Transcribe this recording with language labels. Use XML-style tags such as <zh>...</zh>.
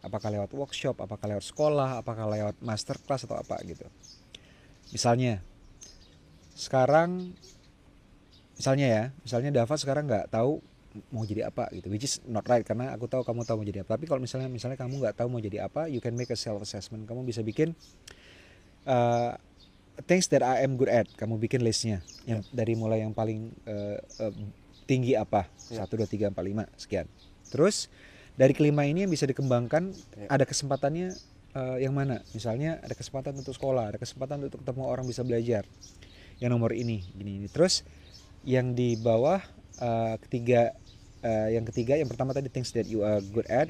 <id>Apakah lewat workshop, apakah lewat sekolah, apakah lewat masterclass atau apa gitu. Misalnya, sekarang, misalnya Dava sekarang nggak tahu mau jadi apa gitu.</id> <en>Which is not right,</en> <id>karena aku tahu kamu tahu mau jadi apa. Tapi kalau misalnya kamu nggak tahu mau jadi apa,</id> <en>you can make a self-assessment.</en> <id>Kamu bisa bikin</id> <en>things that I am good at.</en> <id>Kamu bikin listnya. Yang dari mulai yang paling tinggi apa, 1, 2, 3, 4, 5 sekian. Terus dari kelima ini yang bisa dikembangkan, ada kesempatannya yang mana? Misalnya ada kesempatan untuk sekolah, ada kesempatan untuk ketemu orang bisa belajar. Yang nomor ini, gini ini. Terus yang di bawah ketiga, yang pertama tadi</id> <en>things that you are good at.</en>